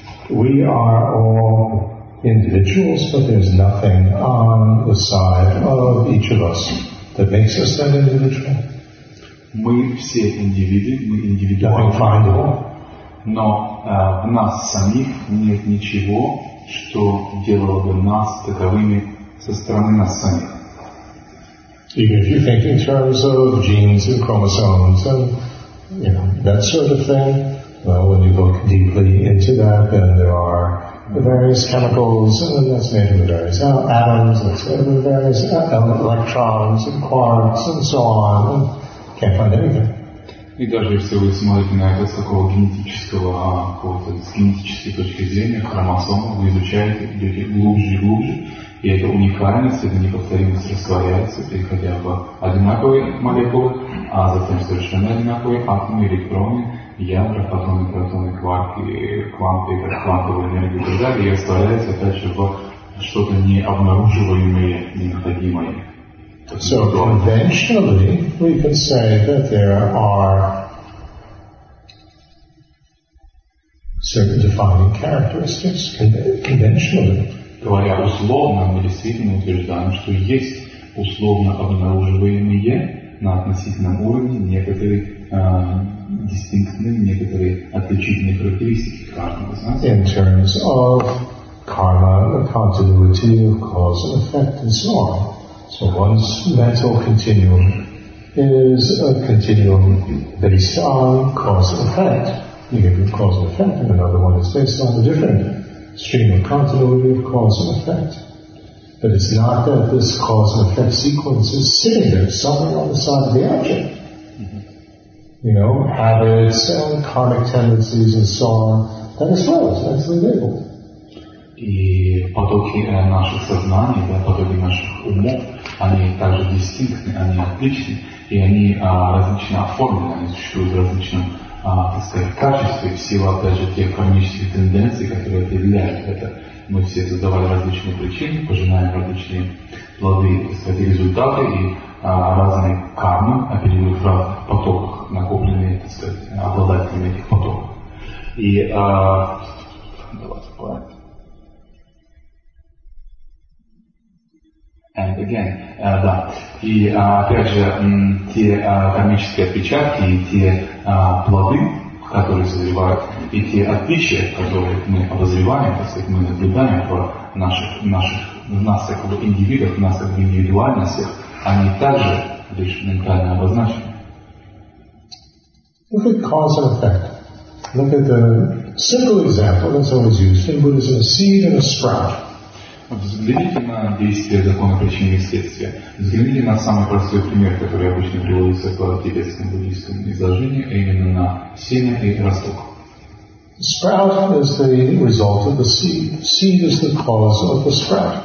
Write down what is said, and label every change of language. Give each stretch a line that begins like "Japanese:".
English: We are all individuals, but there's nothing on the side of each of us that makes us that individual.
Russian: Мы все индивидуальны.
English: Unfindable.
Russian: Но в нас самих нет ничего, что делало бы нас таковыми со стороны нас самих.
English: Even if you think in terms of genes and chromosomes and you know, that sort of thing, well, when you look deeply into that, then there are the various chemicals, and that's made of the various atoms, that's made of the various electrons and quarks and so on, and can't find anything.
Russian: И даже если вы смотрите на это с такого генетического, какого-то с генетической точки зрения, хромосомы, вы изучаете, идете глубже и глубже, и эта уникальность, эта неповторимость растворяется, переходя в одинаковые молекулы, а затем совершенно одинаковые атомы, электроны, ядра, фотоны, протоны, кварки, кванты, кванты энергии и так далее, и растворяется опять же в что-то необнаруживаемое, ненаходимое.
English: So conventionally, we can say that there are certain defining characteristics. Conventionally,
Russian: говоря условно, мы действительно утверждаем, что есть условно обнаруживаемые на относительном уровне некоторые distinctive, некоторые отличительные характеристики каждого из нас.
English: In terms of karma, the continuity of cause and effect, and so on. So one's mental continuum is a continuum based on cause and effect. You give a cause and effect, and another one is based on a different stream of continuity of cause and effect. But it's not that this cause and effect sequence is sitting there somewhere on the side of the object. Mm-hmm. You know, habits and karmic tendencies and so on, that is well, that's labeled.
Russian: И потоки наших сознаний, да, потоки наших умов, они также дистинктны, они отличны, и они различно оформлены, они существуют в различном, так сказать, качестве, в силу опять же тех кармических тенденций, которые определяют это. Мы все создавали различные причины, пожинаем различные плоды, так сказать, результаты, и разные кармы оперируют в разных потоках, накопленные, так сказать, обладателями этих потоков. И давайте поговорим.
English: And again, да.
Russian: И опять же, те кармические отпечатки и те плоды, которые созревают, и те отличия, которые мы обозреваем, так сказать, мы наблюдаем в наших нас как бы индивидов, нас как бы индивидуальностях, они также лишь ментально обозначены.
English: Look at cause and effect. Look at the simple example that's always used in Buddhism, a seed and a sprout.
Russian: Вот взгляните на действие закона причины и следствия. Взгляните на самый простой пример, который обычно приводится в тибетском буддийском изложении, а именно на семя и росток.
English: Sprout is the result of the seed. Seed is the cause of the sprout.